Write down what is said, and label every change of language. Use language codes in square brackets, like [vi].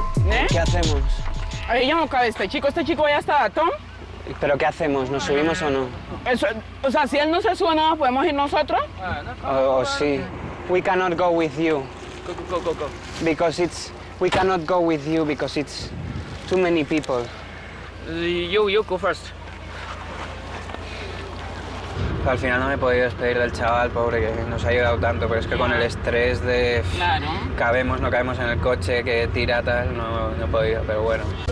[es] ¿Eh? ¿Qué hacemos? Ahí ya no cabe este chico. ¿Este chico ya está Datón? ¿Pero qué hacemos? ¿Nos subimos o no? Eso, o sea, si él no se sube nada, ¿podemos ir nosotros? [en] Sí. We cannot go with you. Go. Because it's... We cannot go with you because it's too many people. You go first. [es] Al final no me he podido despedir del chaval, pobre, que nos ha ayudado tanto, pero es que con el estrés de... Claro. Cabemos, no cabemos en el coche, que tira, tal, no he podido, pero bueno.